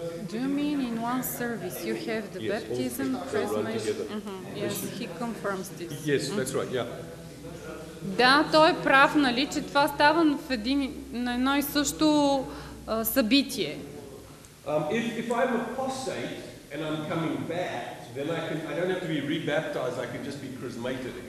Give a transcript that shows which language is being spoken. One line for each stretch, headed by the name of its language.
English: Do you mean in one service you have the baptism, chrismation? Yes, he confirms this. Yes, that's right. Yeah.
Bulgarian: Да, той е прав, нали, че това става в един, на едно и също събитие.
English: If I'm apostate and I'm coming back, then I don't have to be rebaptized, I can just be chrismated again.